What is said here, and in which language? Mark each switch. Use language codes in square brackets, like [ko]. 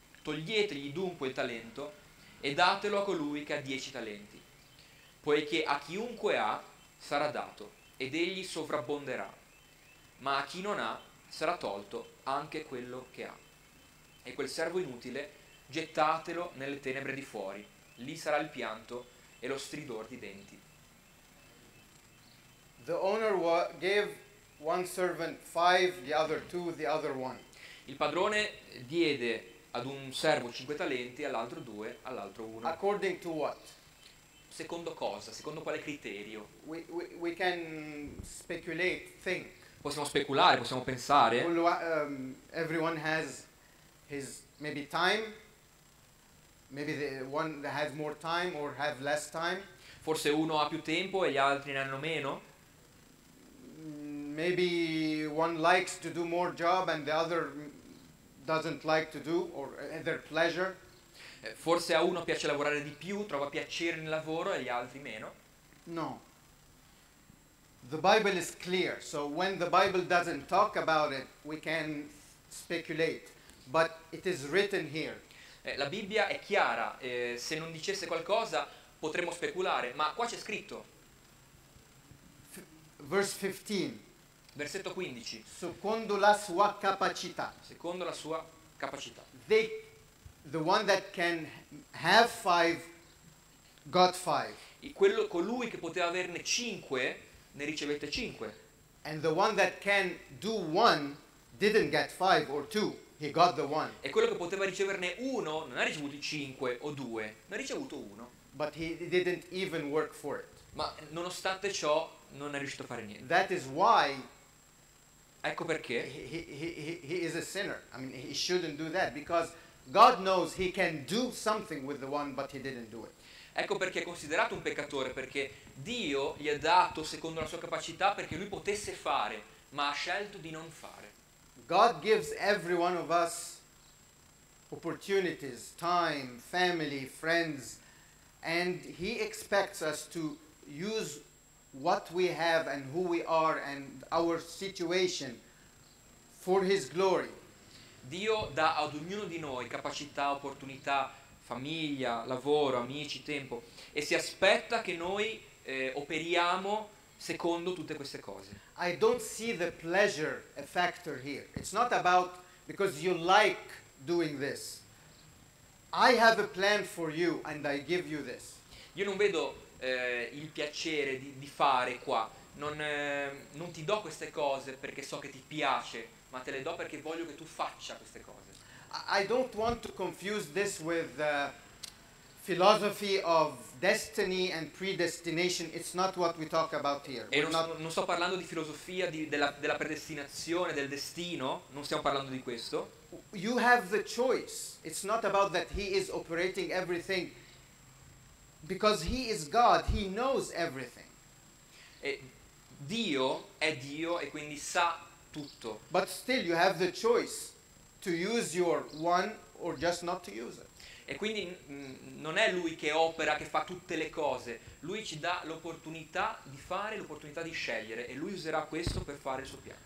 [it] Toglietegli dunque il talento e datelo a colui che ha 10 talenti, poiché a chiunque ha sarà dato ed egli sovrabbonderà, ma a chi non ha sarà tolto anche quello che ha. E quel servo inutile gettatelo nelle tenebre di fuori, lì sarà il pianto e lo stridor di denti. [en] The owner gave one servant 5, the other 2, the other 1. [it] Il padrone diede ad un servo 5 talenti, all'altro 2, all'altro 1. [en] According to what? [it] Secondo cosa? Secondo quale criterio? [en] We can speculate, think. [it] Possiamo speculare, possiamo pensare. [en] Everyone has his maybe time. Maybe the one that has more time or have less time. [it] Forse uno ha più tempo e gli altri ne hanno meno. [en] Maybe one likes to do more job and the other doesn't like to do, or their pleasure. [it] Forse a uno piace lavorare di più, trova piacere nel lavoro, e agli altri meno. [en] No. The Bible is clear, so when the Bible doesn't talk about it, we can speculate. But it is written here. [it] La Bibbia è chiara, se non dicesse qualcosa potremmo speculare, ma qua c'è scritto. [en] Verse 15. [it] Versetto 15. Secondo la sua capacità. Secondo la sua capacità. [en] The one that can have 5 got 5. [it] E quello, colui che poteva averne 5 ne ricevette 5. [en] And the one that can do 1 didn't get 5 or 2. He got the 1. [it] E quello che poteva riceverne 1 non ha ricevuto 5 o 2, ne ha ricevuto 1. [en] But he didn't even work for it. [it] Ma nonostante ciò non è riuscito a fare niente. [en] That is why. [it] Ecco perché. [en] He is a sinner. I mean, he shouldn't do that because God knows he can do something with the one, but he didn't do it. [it] Ecco perché è considerato un peccatore, perché Dio gli ha dato secondo la sua capacità perché lui potesse fare, ma ha scelto di non fare. [en] God gives every one of us opportunities, time, family, friends, and he expects us to use what we have and who we are and our situation for His glory. [it] Dio dà ad ognuno di noi capacità, opportunità, famiglia, lavoro, amici, tempo, e si aspetta che noi operiamo secondo tutte queste cose. [en] I don't see the pleasure a factor here. It's not about because you like doing this. I have a plan for you and I give you this. [it] Io non vedo il piacere di fare qua. Non ti do queste cose perché so che ti piace, ma te le do perché voglio che tu faccia queste cose. [en] I don't want to confuse this with the philosophy of destiny and predestination. It's not what we talk about here. [it] E non sto parlando di filosofia della predestinazione, del destino, non stiamo parlando di questo. [en] You have the choice. It's not about that he is operating everything. Because he is God, he knows everything. [it] E Dio è Dio e quindi sa tutto. [en] But still you have the choice to use your one or just not to use it. [it] E quindi non è lui che opera, che fa tutte le cose. Lui ci dà l'opportunità di fare, l'opportunità di scegliere, e lui userà questo per fare il suo piano.